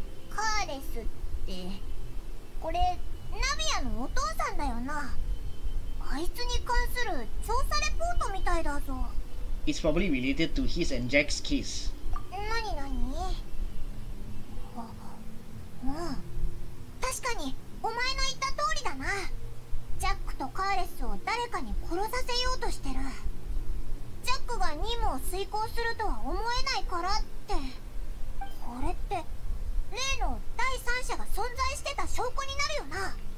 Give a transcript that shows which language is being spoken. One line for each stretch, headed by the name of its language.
Japanese: カーレスって、これナビアのお父さんだよな。あいつに関する調査レポートみたいだぞ。
English: It's probably related to his and Jack's case.
Japanese: 何何？確かにお前の言った通りだな。ジャックとカーレスを誰かに殺させようとしてる。ジャックが任務を遂行するとは思えないからって。これって例の第三者が存在してた証拠になるよな。